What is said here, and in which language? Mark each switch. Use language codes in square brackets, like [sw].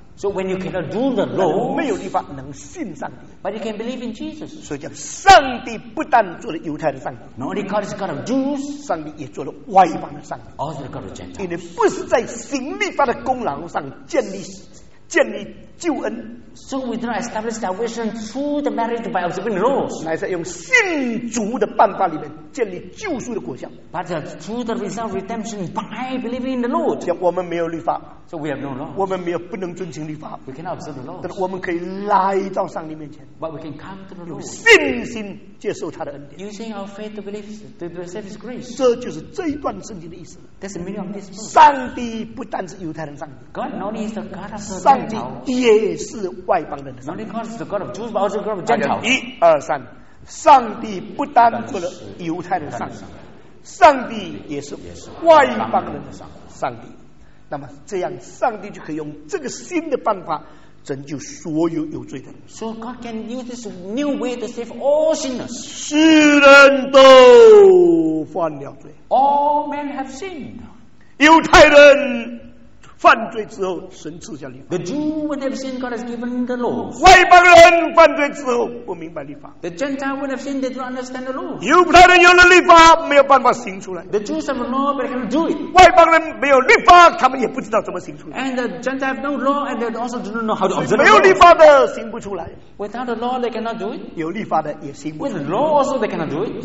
[en] So when you cannot do the law, [zh] 没有律法能信上帝。 [en] But you can believe in Jesus. [zh] 所以叫上帝不但做了犹太的上帝。 [en] Not only God is God of Jews, [zh] 上帝也做了外邦的上帝。 [en] Also the God of Gentiles. [zh] 因为不是在行律法的功劳上建立救恩。 [en] So we do not establish salvation through the merit by observing the laws. [zh] 乃是用信主的办法里面建立救赎的果效。 [en] But through the result of redemption by believing in the Lord. [zh] 像我们没有律法。 [en] So we have no law. [zh] 我们没有不能遵行律法。 [en] We cannot observe the laws. [zh] 但我们可以来到上帝面前。 [en] But we can come to the Lord. [zh] 用信心接受他的恩典。 [en] Using our faith to believe to receive His grace. [zh] 这就是这一段圣经的意思。 [en] That's the meaning of this verse. [zh] 上帝不但是犹太人上帝。 [en] God not only is the God of the Gentiles. [zh] 上帝也是外邦人的上帝。 [en] Not only is the God of Jews, but also the God of Gentiles. [zh] 一二三，上帝不单做了犹太人上帝，上帝也是外邦人的上帝。那么这样，上帝就可以用这个新的办法拯救所有有罪的人。 [en] So God can use this new way to save all sinners. [zh] 世人都犯了罪。 [en] All men have sinned. [zh] 犹太人。犯罪之后，神赐下律法。 [en] The Jew would have sinned, God has given the law. [zh] 外邦人犯罪之后不明白律法。 [en] The Gentile would have sinned, they don't understand the law. [zh] 犹太人有了律法，没有办法行出来。 [en] The Jews have a law, but they cannot do it. [zh] 外邦人没有律法，他们也不知道怎么行出来。 [en] And the Gentile have no law, and they also do not know how to observe. [zh] 没有律法的行不出来。 [en] Without the law, they cannot do it. [zh] 有律法的也行不出来。 [en] With the law also, they cannot do it.